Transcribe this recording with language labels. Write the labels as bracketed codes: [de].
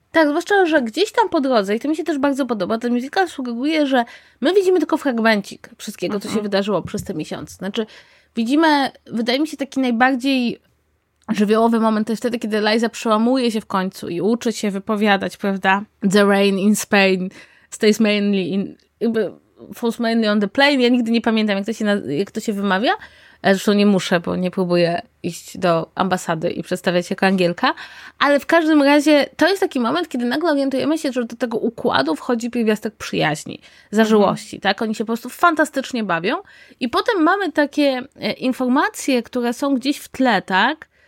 [pl] Tak, zwłaszcza, że gdzieś tam po drodze, i to mi się też bardzo podoba, ten musical sugeruje, że my widzimy tylko fragmencik wszystkiego, co się wydarzyło przez te miesiące. Znaczy, widzimy, wydaje mi się, taki najbardziej żywiołowy moment, to jest wtedy, kiedy Eliza przełamuje się w końcu i uczy się wypowiadać, prawda? [en] The rain in Spain stays mainly in, [pl] jakby [en] falls mainly on the plane. [pl] Ja nigdy nie pamiętam, jak to się wymawia. Zresztą nie muszę, bo nie próbuję iść do ambasady i przedstawiać jako Angielka. Ale w każdym razie to jest taki moment, kiedy nagle orientujemy się, że do tego układu wchodzi pierwiastek przyjaźni, zażyłości. Tak? Oni się po prostu fantastycznie bawią. I potem mamy takie informacje, które są gdzieś w tle, tak?